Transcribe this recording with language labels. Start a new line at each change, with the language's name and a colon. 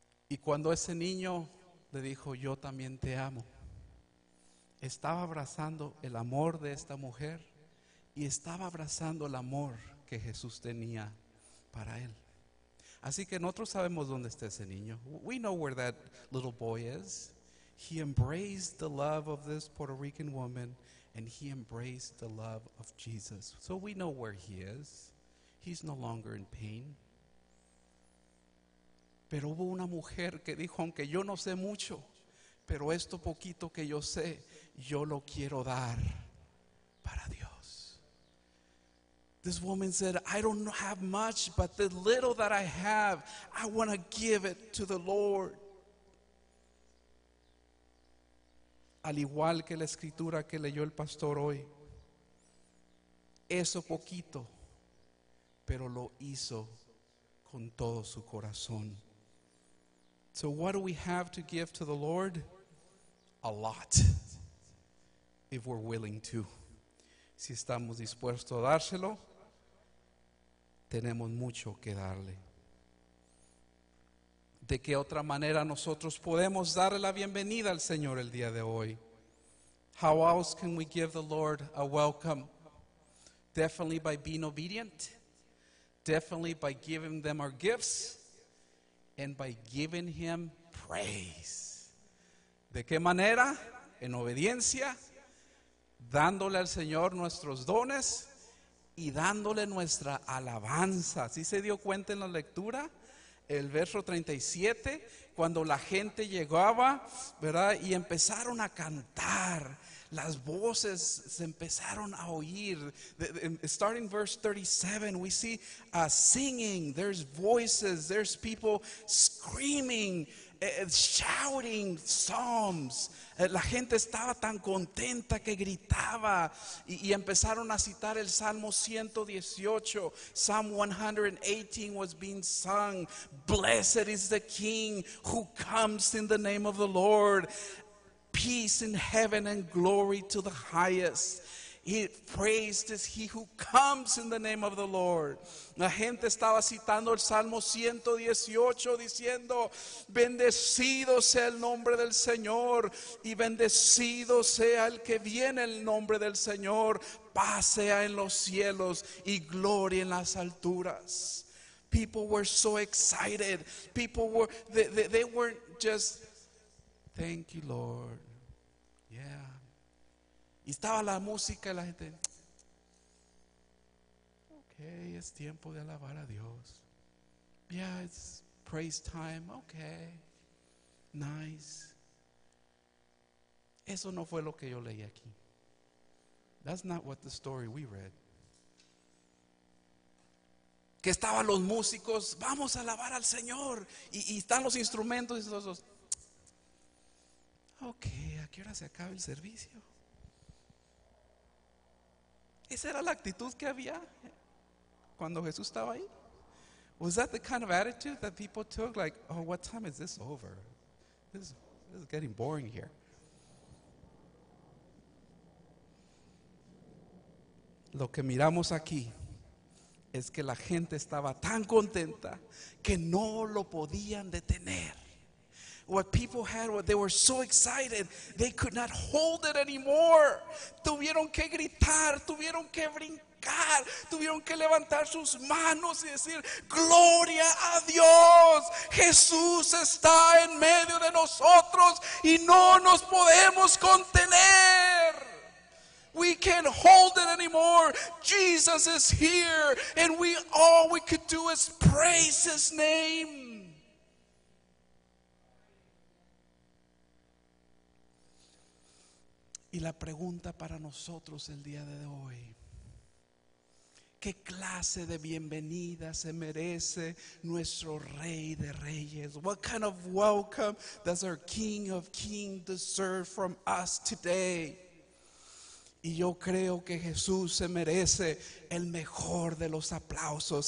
Spanish: Y cuando ese niño le dijo, yo también te amo, estaba abrazando el amor de esta mujer y estaba abrazando el amor que Jesús tenía para él. Así que nosotros sabemos dónde está ese niño.
English: We know where that little boy is. He embraced the love of this Puerto Rican woman and he embraced the love of Jesus. So we know where he is. He's no longer in pain.
Spanish: Pero hubo una mujer que dijo, aunque yo no sé mucho, pero esto poquito que yo sé, yo lo quiero dar para Dios.
English: This woman said, I don't have much, but the little that I have, I want to give it to the Lord.
Spanish: Al igual que la escritura que leyó el pastor hoy, eso poquito, pero lo hizo con todo su corazón.
English: So what do we have to give to the Lord? A lot, if we're willing to.
Spanish: Si estamos dispuestos a dárselo, tenemos mucho que darle. ¿De qué otra manera nosotros podemos darle la bienvenida al Señor el día de hoy?
English: How else can we give the Lord a welcome? Definitely by being obedient. Definitely by giving them our gifts. And by giving him praise.
Spanish: ¿De qué manera? En obediencia. Dándole al Señor nuestros dones. Y dándole nuestra alabanza. ¿Sí se dio cuenta en la lectura? El verso 37, cuando la gente llegaba, ¿verdad? Y empezaron a cantar. Las voces se empezaron a oír.
English: Starting verse 37, we see singing. There's voices, there's people screaming, shouting psalms.
Spanish: La gente estaba tan contenta que gritaba y empezaron a citar el Salmo 118.
English: Psalm 118 was being sung. Blessed is the king who comes in the name of the Lord. Peace in heaven and glory to the highest. Praised is he who comes in the name of the Lord.
Spanish: La gente estaba citando el Salmo 118 diciendo, bendecido sea el nombre del Señor y bendecido sea el que viene en el nombre del Señor. Paz sea en los cielos y gloria en las alturas.
English: People were so excited. People were, they weren't just, thank you Lord. Yeah.
Spanish: Y estaba la música y la gente, okay, es tiempo de alabar a Dios.
English: Yeah, it's praise time, okay, nice.
Spanish: Eso no fue lo que yo leí aquí.
English: That's not what the story we read.
Spanish: Que estaban los músicos, vamos a alabar al Señor. Y están los instrumentos y todos esos. Okay, ¿a qué hora se acaba el servicio? ¿Esa era la actitud que había cuando Jesús estaba ahí?
English: Was that the kind of attitude that people took? Like, oh, what time is this over? This is getting boring here.
Spanish: Lo que miramos aquí es que la gente estaba tan contenta que no lo podían detener.
English: What people had, what they were so excited, they could not hold it anymore.
Spanish: Tuvieron que gritar, tuvieron que brincar, tuvieron que levantar sus manos y decir, Gloria a Dios, Jesús está en medio de nosotros y no nos podemos contener.
English: We can't hold it anymore. Jesus is here, and all we could do is praise his name.
Spanish: Y la pregunta para nosotros el día de hoy, ¿qué clase de bienvenida se merece nuestro Rey de Reyes?
English: What kind of welcome does our King of Kings deserve from us today?
Spanish: Y yo creo que Jesús se merece el mejor de los aplausos.